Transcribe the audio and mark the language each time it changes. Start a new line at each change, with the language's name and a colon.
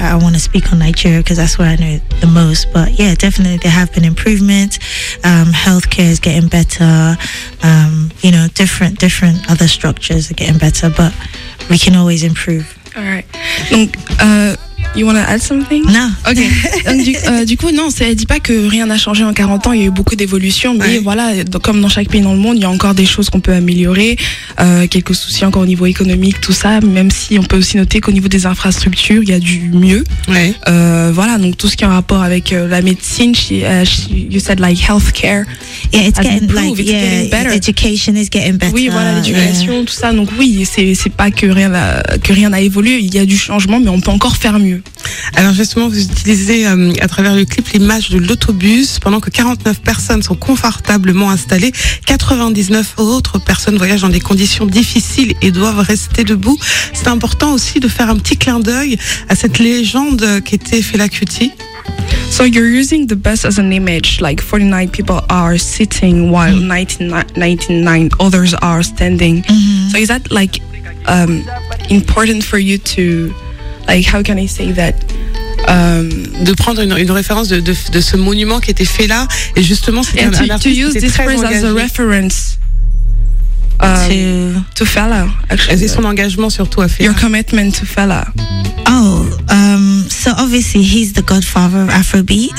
English: I want to speak on Nigeria because that's where I know the most, but yeah, definitely there have been improvements. Healthcare is getting better, you know, different other structures are getting better, but we can always improve. All right. You want to add something?
French: Non. Ok. Du coup, non, elle ne dit pas que rien n'a changé en 40 ans, il y a eu beaucoup d'évolutions, mais voilà, comme dans chaque pays dans le monde, il y a encore des choses qu'on peut améliorer, quelques soucis encore au niveau économique, tout ça, même si on peut aussi noter qu'au niveau des infrastructures, il y a du mieux. Ouais. Voilà, donc tout ce qui est en rapport avec la médecine,
English: you said like healthcare. Yeah, it's getting better. Education is getting better.
French: Oui, voilà, l'éducation, tout ça. Donc oui, c'est pas que rien n'a évolué, il y a du changement, mais on peut encore faire mieux. Alors justement, vous utilisez à travers le clip l'image de l'autobus. Pendant que 49 personnes sont confortablement installées, 99 autres personnes voyagent dans des conditions difficiles et doivent rester debout. C'est important aussi de faire un petit clin d'œil à cette légende qu'était Fela Kuti.
English: So you're using the bus as an image, like 49 people are sitting while 99 others are standing. Mm-hmm. So is that like important for you to... Like, how can I say that?
French: De prendre une référence de ce monument qui était fait là, et justement, c'était un artiste qui était très engagé.
English: To use this phrase as a reference to Fela, actually.
French: C'est son engagement surtout à Fela.
English: Your commitment to Fela. Oh, so obviously, he's the godfather of Afrobeat.